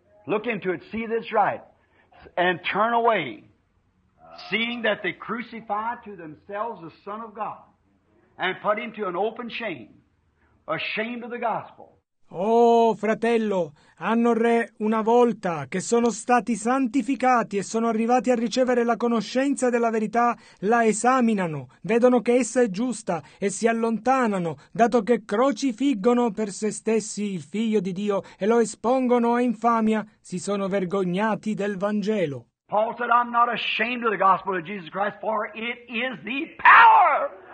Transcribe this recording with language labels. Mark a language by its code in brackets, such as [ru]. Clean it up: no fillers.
[en] Look into it, see this right, and turn away, seeing that they crucify to themselves the Son of God and put him to an open shame. Ashamed of the gospel. [it] Oh, fratello, hanno re una volta che sono stati santificati e sono arrivati a ricevere la conoscenza della verità, la esaminano, vedono che essa è giusta e si allontanano, dato che crocifiggono per se stessi il Figlio di Dio e lo espongono a infamia, si sono vergognati del Vangelo. [en] Paul said, I'm not ashamed of the gospel of Jesus Christ, for it is the power.